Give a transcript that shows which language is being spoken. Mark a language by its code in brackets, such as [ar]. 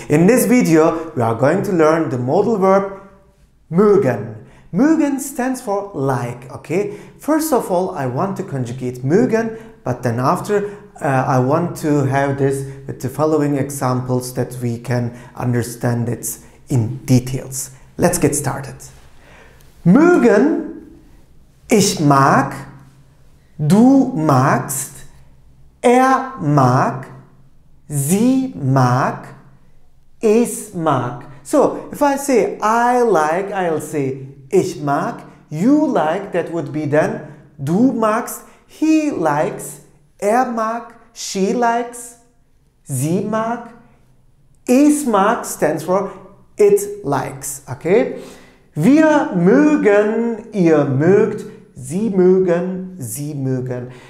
[en] In this video, we are going to learn the modal verb Mögen. Mögen stands for like, okay? First of all, I want to conjugate Mögen, but then after, I want to have this with the following examples that we can understand it in details. Let's get started. [de] Mögen, ich mag, du magst, mag, sie mag, es mag. [en] So, if I say I like, I'll say ich mag, you like, that would be then du magst, he likes, mag, she likes, sie mag, es mag stands for it likes, okay? [de] Wir mögen, ihr mögt, sie mögen, sie mögen.